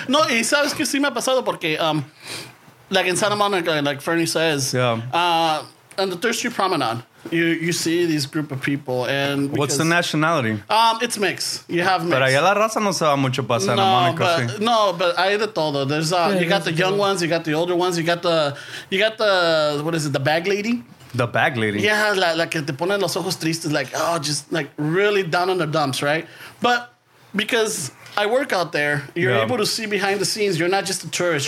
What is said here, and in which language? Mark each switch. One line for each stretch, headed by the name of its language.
Spanish: No, y sabes que sí me ha pasado porque...
English: like in Santa Monica, like Fernie says, on the Third Street Promenade, you see this group of people. And because, what's the nationality? It's mixed. You have mixed.
Spanish: Pero allá la raza no se va mucho para Santa Monica, sí. No, but hay de todo.
English: There's, you got the young ones, you got the older ones, you got the, what is it, the bag lady? The bag lady. Yeah,
Spanish: la que te ponen los ojos tristes,
English: like, oh, just like really down in the dumps, right? But because I work out there. You're able to see behind the scenes. You're not just a tourist.